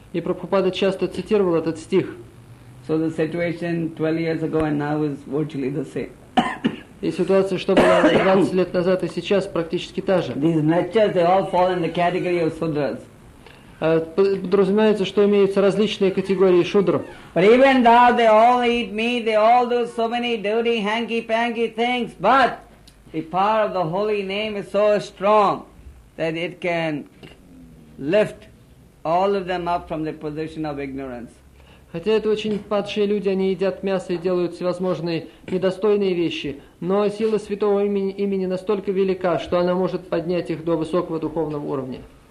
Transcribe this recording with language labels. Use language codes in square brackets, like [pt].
[ru] И Прабхупада часто цитировал этот стих. [en] So the situation 12 years ago and now is virtually the same. [ru] И ситуация, что была 20 лет назад и сейчас, практически та же. [en] These natures, they all fall in the category of Shudras. [ru] Подразумевается, что имеются различные категории шудр. [en] But even though they all eat meat, they all do so many dirty hanky-panky things, but the power of the holy name is so strong that it can lift all of them up from the position of ignorance. [ru] Хотя это очень падшие люди, они едят мясо и делают всевозможные недостойные вещи, но сила святого имени настолько велика, что она может поднять их до высокого духовного уровня.